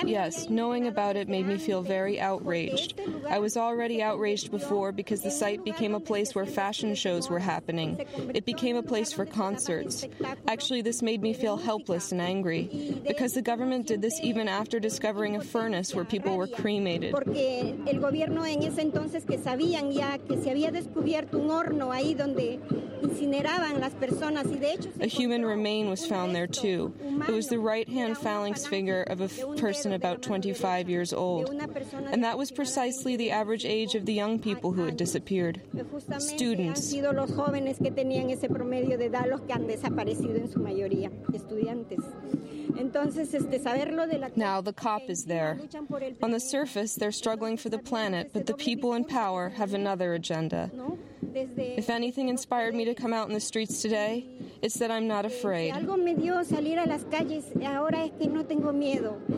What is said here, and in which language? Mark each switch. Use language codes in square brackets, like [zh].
[en] Yes, knowing about it made me feel very outraged. I was already outraged before because the site became a place where fashion shows were happening. It became a place for concerts. Actually, this made me feel helpless and angry because the government did this even after discovering a furnace where people were cremated. [es] Porque el gobierno en ese entonces que sabían ya que se había descubierto un horno ahí donde incineraban las personas y de hecho [en] a human remain was found there too. It was the right-hand phalanx finger of a person about 25 years old. And that was precisely the average age of the young people who had disappeared. Students. [es] Han sido los jóvenes que tenían ese promedio de edad los que han desaparecido en su mayoría, estudiantes. [en] Now the COP is there. On the surface, they're struggling for the planet, but the people in power have another agenda. If anything inspired me to come out in the streets today, it's that I'm not afraid. [es] Algo me dio salir a las calles. Ahora es que no tengo miedo.